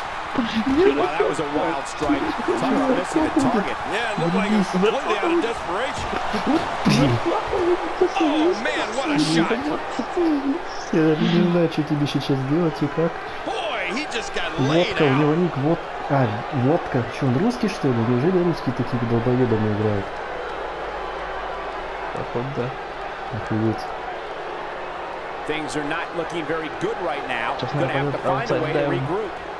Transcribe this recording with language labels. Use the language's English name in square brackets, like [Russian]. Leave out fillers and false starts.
[English] Wow, that was a wild strike. Talk about missing the target. Yeah, it looked like he was completely out of desperation. Oh man, what a shot! [Russian] Я не знаю, что тебе сейчас делать и как. Водка, у него ник вот. А, водка. Что, он русский что ли? Неужели русские такими долбоебами играют? Походу, да. Охуеть. [English] Things are not looking very good right now. Gonna have to find a way to regroup.